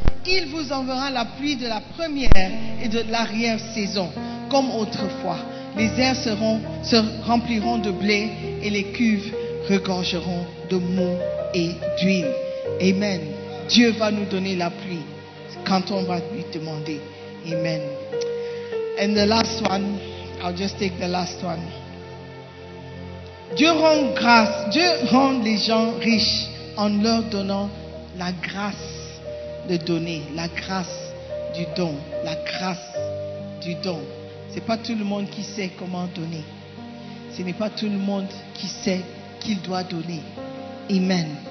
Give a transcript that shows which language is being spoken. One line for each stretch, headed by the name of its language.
French: Il vous enverra la pluie de la première et de l'arrière saison, comme autrefois. Les airs se rempliront de blé et les cuves regorgeront de moût. Et d'huile. Amen. Dieu va nous donner la pluie quand on va lui demander. Amen.
English: And the last one, I'll just take the last one.
French: Dieu rend grâce, Dieu rend les gens riches en leur donnant la grâce de donner, la grâce du don, la grâce du don. C'est pas tout le monde qui sait comment donner. Ce n'est pas tout le monde qui sait qu'il doit donner. Amen.